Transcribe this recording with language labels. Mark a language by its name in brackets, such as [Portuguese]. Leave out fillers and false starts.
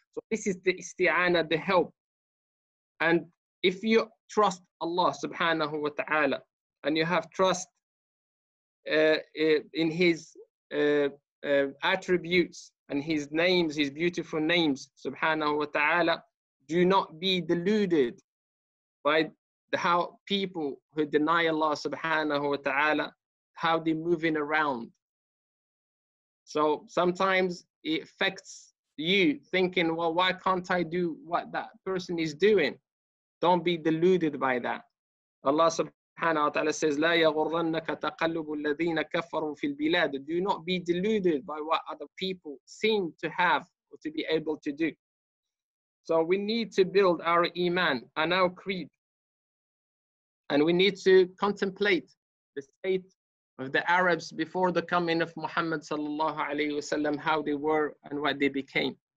[English] So this is the isti'ana, the help. And if you trust Allah subhanahu wa ta'ala and you have trust in his attributes and his names, his beautiful names subhanahu wa ta'ala, do not be deluded by how people who deny Allah subhanahu wa ta'ala, how they're moving around. So sometimes it affects you thinking, well, why can't I do what that person is doing? Don't be deluded by that. [Arabic] Allah subhanahu wa ta'ala says, لَا يَغُرَّنَّكَ تَقَلُّبُ الَّذِينَ كَفَرُوا فِي الْبِلَادِ. [English] Do not be deluded by what other people seem to have or to be able to do. So we need to build our iman and our creed. And we need to contemplate the state of the Arabs before the coming of Muhammad sallallahu alayhi wasallam, how they were and what they became.